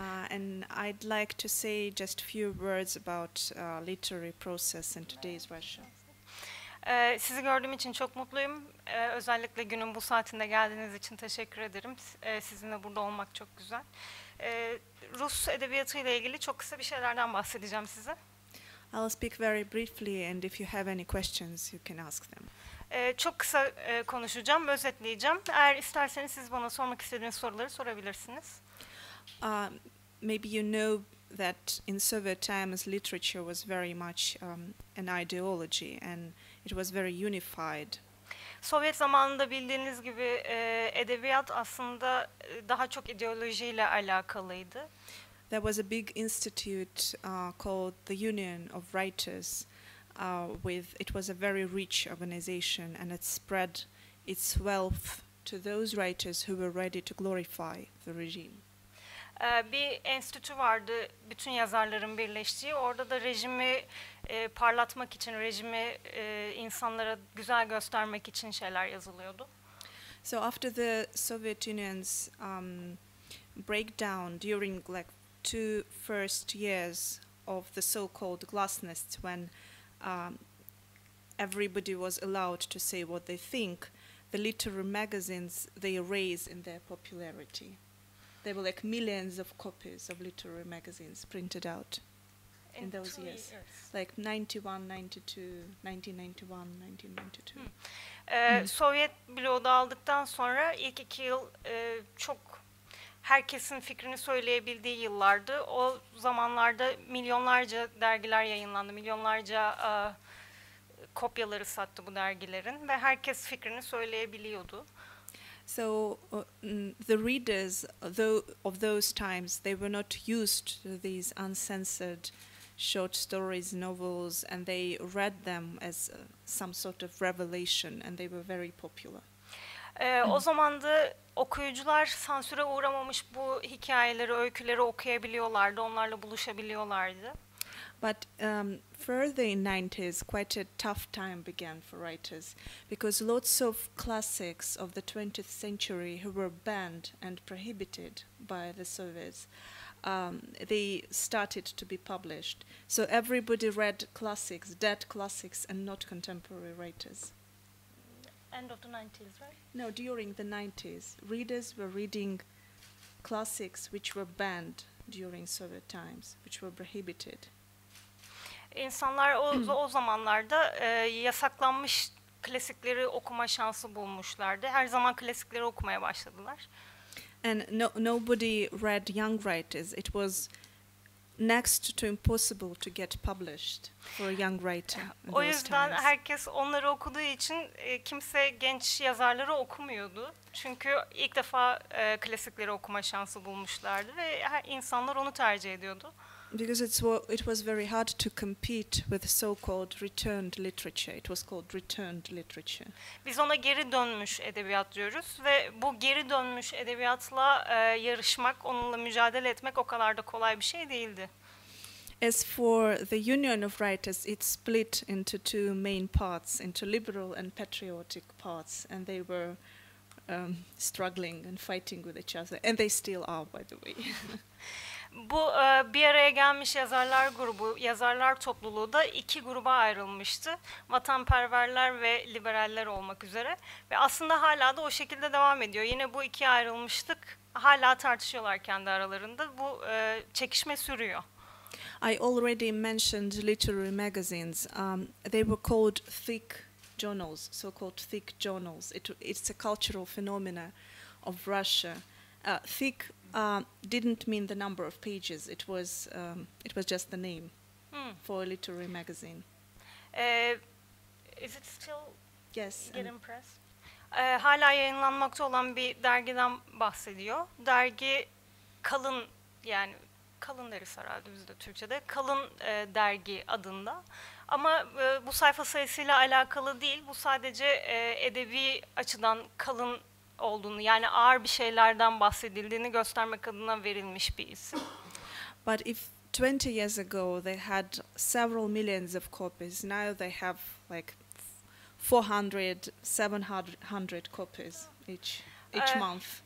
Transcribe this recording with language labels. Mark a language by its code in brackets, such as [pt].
[en] And I'd like to say just a few words about literary process in today's Russia. [tr] Sizi gördüğüm için çok mutluyum. Özellikle günün bu saatinde geldiğiniz için teşekkür ederim. Sizinle burada olmak çok güzel. Rus edebiyatı ile ilgili çok kısa bir şeylerden bahsedeceğim size. [en] I'll speak very briefly and if you have any questions you can ask them. [tr] Çok kısa konuşacağım, özetleyeceğim. Eğer isterseniz siz bana sormak istediğiniz soruları sorabilirsiniz. [en] Maybe you know that in Soviet times literature was very much an ideology and it was very unified. [tr] Sovyet zamanında bildiğiniz gibi edebiyat aslında daha çok ideolojiyle alakalıydı. [en] There was a big institute called the Union of Writers it was a very rich organization and it spread its wealth to those writers who were ready to glorify the regime. [tr] Bir enstitü vardı bütün yazarların birleştiği. Orada da rejimi parlatmak için, rejimi insanlara güzel göstermek için şeyler yazılıyordu. [en] So after the Soviet Union's breakdown during like two first years of the so-called glasnost, when everybody was allowed to say what they think, the literary magazines, they raised in their popularity. There were like millions of copies of literary magazines printed out in those years. Like 1991, 1992. [tr] Sovyet bloğu dağıldıktan sonra ilk iki yıl çok herkesin fikrini söyleyebildiği yıllardı. O zamanlarda milyonlarca dergiler yayınlandı, milyonlarca kopyaları sattı bu dergilerin ve herkes fikrini söyleyebiliyordu. [en] So the readers of those times, they were not used to these uncensored short stories, novels, and they read them as some sort of revelation, and they were very popular. [tr] O zaman da okuyucular sansüre uğramamış bu hikayeleri, öyküleri okuyabiliyorlardı, onlarla buluşabiliyorlardı. [en] But further in 90s, quite a tough time began for writers because lots of classics of the 20th century who were banned and prohibited by the Soviets, they started to be published. So everybody read classics, dead classics, and not contemporary writers. End of the 90s, right? No, during the 90s. Readers were reading classics which were banned during Soviet times, which were prohibited. [tr] İnsanlar o zamanlarda yasaklanmış klasikleri okuma şansı bulmuşlardı. Her zaman klasikleri okumaya başladılar. [en] And nobody read young writers. It was next to impossible to get published for a young writer. [tr] O yüzden herkes onları okuduğu için kimse genç yazarları okumuyordu. Çünkü ilk defa klasikleri okuma şansı bulmuşlardı ve insanlar onu tercih ediyordu. [en] Because it was very hard to compete with so-called returned literature. It was called returned literature. [tr] Biz ona geri dönmüş edebiyat diyoruz ve bu geri dönmüş edebiyatla yarışmak, onunla mücadele etmek o kadar da kolay bir şey değildi. [en] As for the Union of Writers, it split into two main parts, into liberal and patriotic parts, and they were struggling and fighting with each other, and they still are, by the way. [tr] Bu bir araya gelmiş yazarlar grubu, yazarlar topluluğu da iki gruba ayrılmıştı. Vatanperverler ve liberaller olmak üzere. Ve aslında hala da o şekilde devam ediyor. Yine bu ikiye ayrılmıştık. Hala tartışıyorlar kendi aralarında. Bu çekişme sürüyor. [en] I already mentioned literary magazines. They were called thick journals, so-called thick journals. It's a cultural phenomena of Russia. Thick didn't mean the number of pages. It was just the name for a literary magazine. Is it still getting pressed? [tr] Hala yayınlanmakta olan bir dergiden bahsediyor. Dergi kalın, yani Kalın Deris herhalde bizde Türkçe'de. Kalın Dergi adında. Ama bu sayfa sayısıyla alakalı değil. Bu sadece edebi açıdan kalın olduğunu, yani ağır bir şeylerden bahsedildiğini göstermek adına verilmiş bir isim. [en] But if 20 years ago they had several millions of copies, now they have like 400-700 copies each month.